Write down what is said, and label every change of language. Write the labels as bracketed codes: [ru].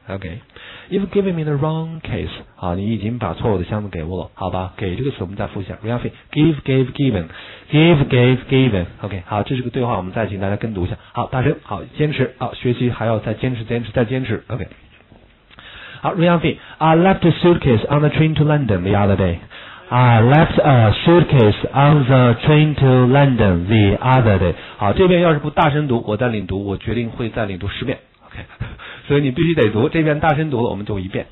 [en] OK, you've given me the wrong case. [zh] 好，你已经把错误的箱子给我了，好吧？给这个词我们再复习一下 ，Ralphie, given. OK, 好，这是个对话，我们再请大家跟读一下。好，大声，好，坚持，好，学习还要再坚持，坚持，再坚持。 OK。 好 ，Ralphie, [en] I left a suitcase on the train to London the other day. I left a suitcase on the train to London the other day. [zh] 好，这边要是不大声读，我再领读，我决定会再领读十遍。 OK， 所以你必须得读，这边大声读了，我们就一遍。